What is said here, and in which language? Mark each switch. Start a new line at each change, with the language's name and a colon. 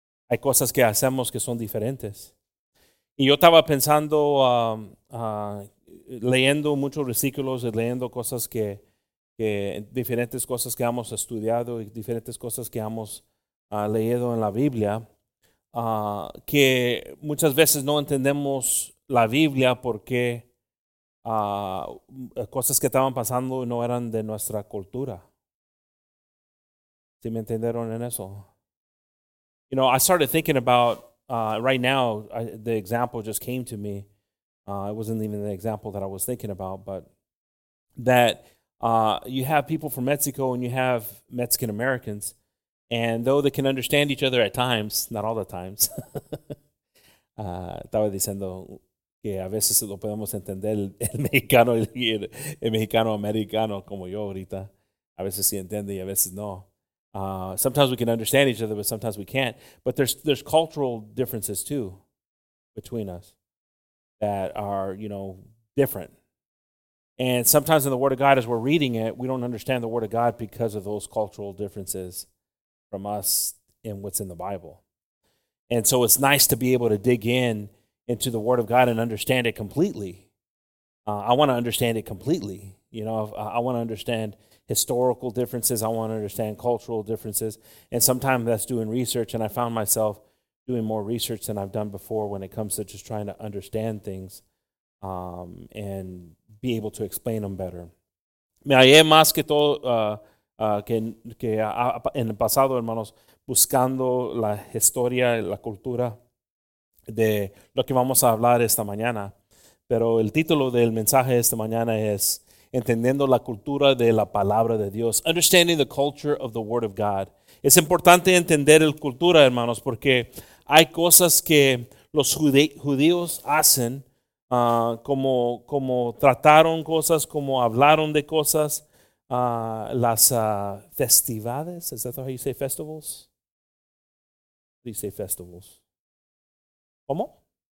Spanish: Hay cosas que hacemos que son diferentes. Y yo estaba pensando, leyendo muchos versículos, leyendo cosas que diferentes cosas que hemos estudiado y diferentes cosas que hemos leído en la Biblia. Que muchas veces no entendemos la Biblia porque cosas que estaban pasando no eran de nuestra cultura. ¿Sí me entendieron en eso?
English: You know, I started thinking about, right now, the example just came to me. It wasn't even the example that I was thinking about, but that you have people from Mexico and you have Mexican Americans. And though they can understand each other at times, not all the times.
Spanish: estaba diciendo que a veces lo podemos entender el mexicano y el mexicano americano como yo ahorita. A veces sí entiende y a veces no.
English: Sometimes we can understand each other, but sometimes we can't. But there's cultural differences too between us that are, you know, different. And sometimes in the Word of God, as we're reading it, we don't understand the Word of God because of those cultural differences from us and what's in the Bible. And so it's nice to be able to dig in into the Word of God and understand it completely. I want to understand it completely. You know, I want to understand historical differences. I want to understand cultural differences. And sometimes that's doing research, and I found myself doing more research than I've done before when it comes to just trying to understand things and be able to explain them better.
Spanish: Me hallé más que todo que en el pasado, hermanos, buscando la historia, la cultura de lo que vamos a hablar esta mañana. Pero el título del mensaje esta mañana es Entendiendo la cultura de la palabra de Dios.
English: Understanding the culture of the word of God.
Spanish: Es importante entender la cultura, hermanos, porque hay cosas que los judíos hacen, como trataron cosas, como hablaron de cosas, las festividades.
English: Is that how you say festivals? How do you say festivals?
Spanish: ¿Cómo?